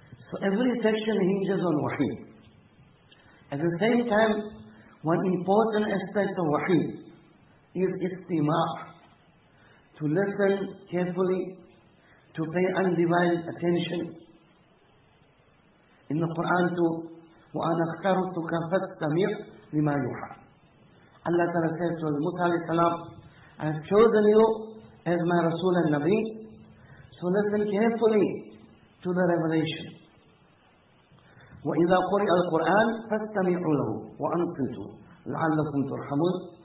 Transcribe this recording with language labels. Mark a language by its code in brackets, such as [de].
[en] So every section hinges on Wahi. At the same time, one important aspect of Wahi is istima', to listen carefully, to pay undivided attention. In the Quran too, [ar] وَأَنَا اخْتَرُتُكَ فَاسْتَمِعْ لِمَا يُوحَىٰ. [en] Allah Ta'ala says to Musa alayhi salam, I have chosen you as my Rasul and Nabi, so listen carefully to the revelation. [ar] وَإِذَا قُرِئَ الْقُرْآنِ فَاسْتَمِعُوا لَهُ وَأَنْصِتُوا لَعَلَّكُمْ تُرْحَمُونَ.